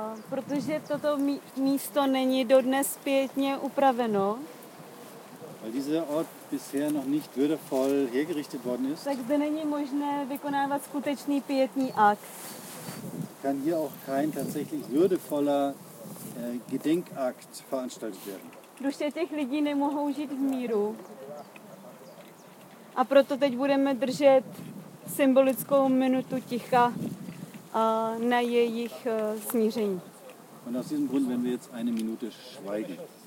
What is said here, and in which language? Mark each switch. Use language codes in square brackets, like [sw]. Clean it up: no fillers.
[cs] Protože toto místo není dodnes pětně upraveno. [de] Weil dieser Ort bisher noch nicht würdevoll hergerichtet worden ist. [cs] Tak zde není možné vykonávat skutečný pětní akt. [de] Kann hier auch kein tatsächlich würdevoller Gedenkakt veranstaltet werden. [cs] Duše těch lidí nemohou žít v míru. A proto teď budeme držet symbolickou minutu ticha na jejich smíření. [de] Und aus diesem Grund werden wir jetzt eine Minute schweigen.